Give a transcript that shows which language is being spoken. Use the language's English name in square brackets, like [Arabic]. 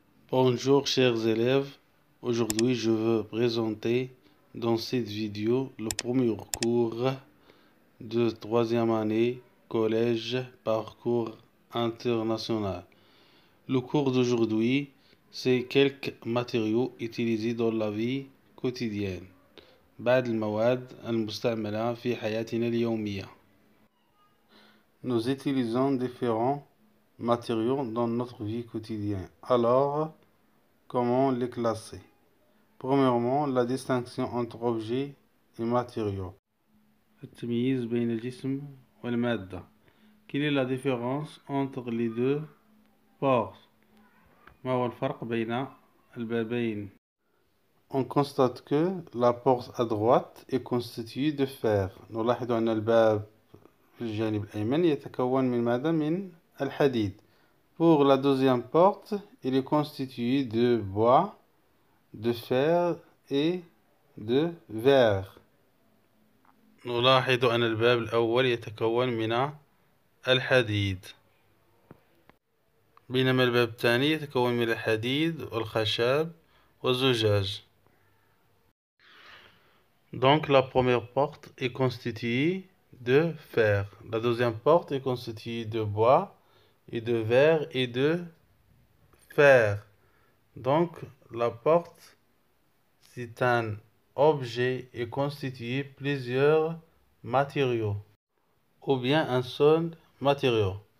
[French] Bonjour chers élèves, aujourd'hui je veux présenter dans cette vidéo le premier cours de troisième année collège parcours international. Le cours d'aujourd'hui, c'est quelques matériaux utilisés dans la vie quotidienne. [Arabic] بعض المواد المستعملة في حياتنا اليومية. [French] Nous utilisons différents matériaux dans notre vie quotidienne. Alors, comment les classer? Premièrement, la distinction entre objets et matériaux. [Arabic] التمييز بين الجسم والمادة. [French] Quelle est la différence entre les deux forces? [Arabic] ما هو الفرق بين البابين؟ [French] On constate que la porte à droite est constituée de fer. Nous l'avons dans le bab. [Arabic] الجانب الأيمن يتكون من ماذا؟ من الحديد. [French] Pour la deuxième porte, il est constitué de bois, de fer et de verre. [Arabic] نلاحظ أن الباب الأول يتكون من الحديد، بينما الباب الثاني يتكون من الحديد والخشب والزجاج. [French] Donc la première porte est constituée de fer. La deuxième porte est constituée de bois et de verre et de fer. Donc la porte, c'est un objet et constitué plusieurs matériaux ou bien un seul matériau.